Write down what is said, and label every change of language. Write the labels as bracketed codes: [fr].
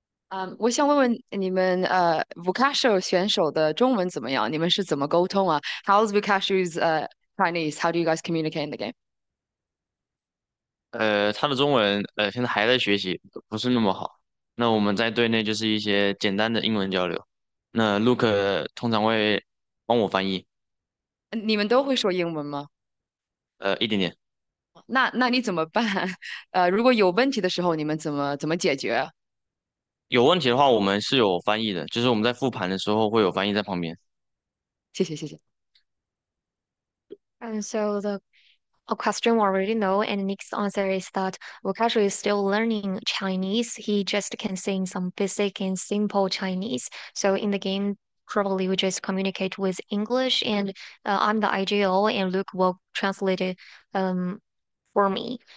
[zh] Um, 我想问问你们，Vukasho 选手的中文怎么样？你们是怎么沟通啊？ [en] How's Vukasho's Chinese? How do you guys communicate in the game? [zh] 他的中文现在还在学习，不是那么好。那我们在队内就是一些简单的英文交流。那 Luke 通常会帮我翻译，你们都会说英文吗？一点点。那你怎么办？如果有问题的时候，你们怎么解决？有问题的话，我们是有翻译的，就是我们在复盘的时候会有翻译在旁边。谢谢。 [en] And so a question we already know, and Nick's answer is that Vukasho is still learning Chinese. He just can say in some basic and simple Chinese. So in the game, probably we just communicate with English, and I'm the IGO, and Luke will translate it for me.